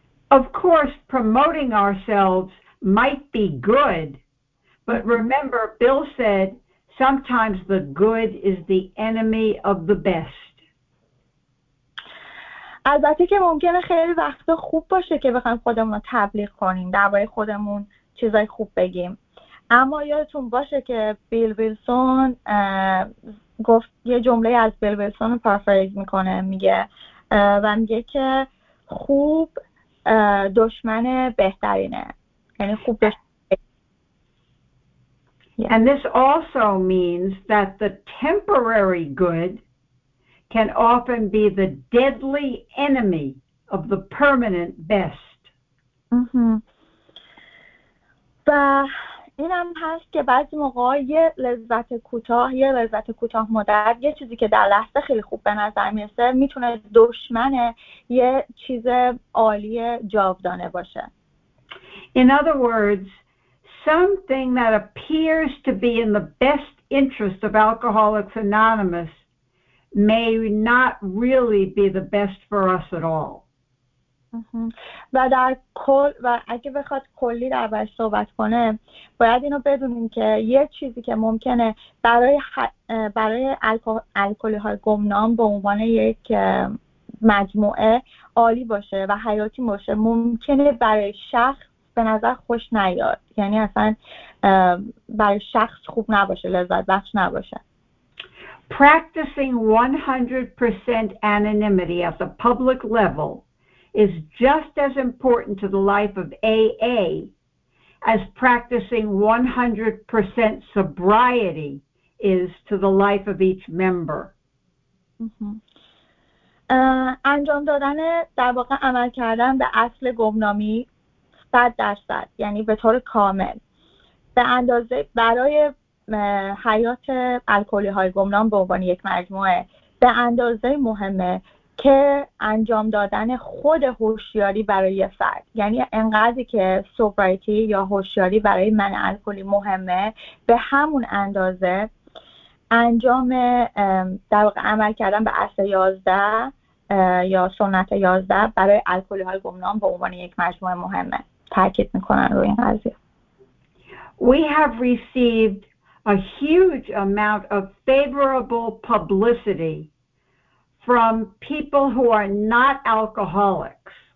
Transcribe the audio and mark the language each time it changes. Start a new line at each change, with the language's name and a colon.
English: Of course, promoting ourselves might be good, but remember, Bill said, sometimes the good is the enemy of the best.
Persian: البته که ممکنه خیلی وقت خوب باشه که بخوایم خودمون رو تبلیغ کنیم، درباره خودمون چیزای خوب بگیم. اما یادتون باشه که بیل ویلسون گفت، یه جمله از بیل ویلسون رو پارافریز میکنه، میگه و میگه که خوب دشمن بهترینه، یعنی خوب بهترینه.
English: And this also means that the temporary good can often be the deadly enemy of the permanent best.
Persian: و این هم هست که بعضی موقعا یه لذت کوتاه مدت، یه چیزی که در لحظه خیلی خوب به نظر میرسه، میتونه دشمن یه چیز عالی جاودانه باشه.
English: In other words, something that appears to be in the best interest of Alcoholics Anonymous may not really be the best for us at all.
Persian: و در کل و اگه بخواد کلی در بحث صحبت کنه، باید اینو بدونیم که یه چیزی که ممکنه برای الکلی های گمنام به عنوان یک مجموعه عالی باشه و حیاتی باشه، ممکنه برای شخص به نظر خوش نیاد، یعنی اصلا برای شخص خوب نباشه، لذت بخش نباشه.
English: Practicing 100% anonymity at the public level is just as important to the life of AA as practicing 100% sobriety is to the life of each member.
Persian: انجام دادن در واقع عمل کردن به اصل گمنامی 100%، یعنی به طور کامل، به اندازه برای حیات الکلی های گمنام به عنوان یک مجموعه به اندازه مهمه که انجام دادن خود هوشیاری برای فرد، یعنی انقدری که سوبرایتی یا هوشیاری برای من الکلی مهمه، به همون اندازه انجام در واقع عمل کردن به اصل 11 یا سنت 11 برای الکلی های گمنام به عنوان یک مجموعه مهمه. تاکید میکنن روی این قضیه.
English: We have received a huge amount of favorable publicity from people who are not alcoholics.